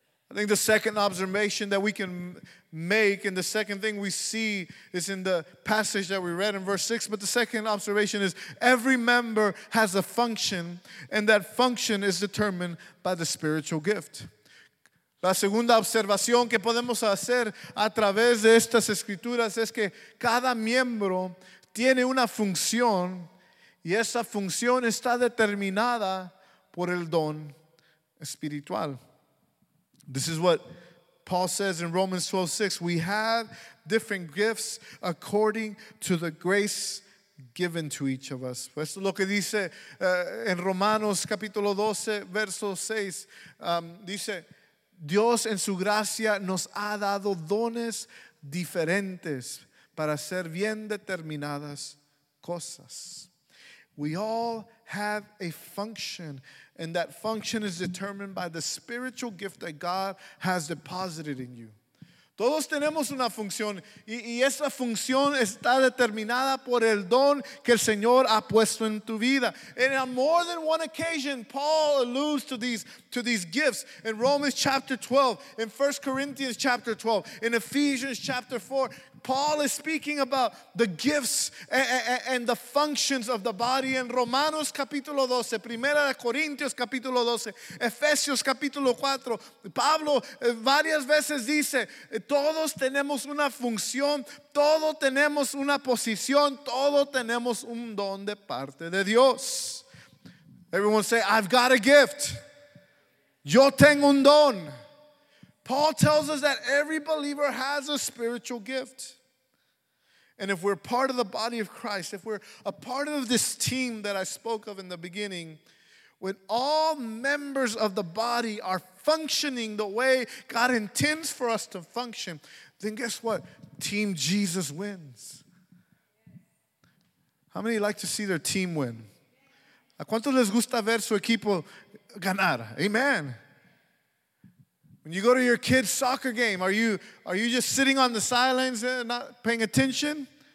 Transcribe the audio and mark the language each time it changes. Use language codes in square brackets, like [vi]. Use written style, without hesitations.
[en] I think the second observation that we can make and the second thing we see is in the passage that we read in verse 6. But the second observation is every member has a function and that function is determined by the spiritual gift. [es] La segunda observación que podemos hacer a través de estas escrituras es que cada miembro tiene una función y esa función está determinada por el don espiritual. [en] This is what Paul says in Romans 12:6. We have different gifts according to the grace given to each of us. [es] Esto es lo que dice en Romanos capítulo 12, verso 6. Dice, Dios en su gracia nos ha dado dones diferentes para hacer bien determinadas cosas. [en] We all have a function. And that function is determined by the spiritual gift that God has deposited in you. [es] Todos tenemos una función y esa función está determinada por el don que el Señor ha puesto en tu vida. [en] And on more than one occasion, Paul alludes to these gifts in Romans chapter 12, in 1 Corinthians chapter 12, in Ephesians chapter 4. Paul is speaking about the gifts and the functions of the body in [es] Romanos capítulo 12, Primera de Corintios capítulo 12, Efesios capítulo 4. Pablo varias veces dice, todos tenemos una función, todos tenemos una posición, todos tenemos un don de parte de Dios. [en] Everyone say, I've got a gift. [es] Yo tengo un don. [en] Paul tells us that every believer has a spiritual gift. And if we're part of the body of Christ, if we're a part of this team that I spoke of in the beginning, when all members of the body are functioning the way God intends for us to function, then guess what? Team Jesus wins. How many like to see their team win? [es] ¿A cuánto les gusta ver su equipo ganar? [en] Amen. When you go to your kid's soccer game, are you just sitting on the sidelines and not paying attention?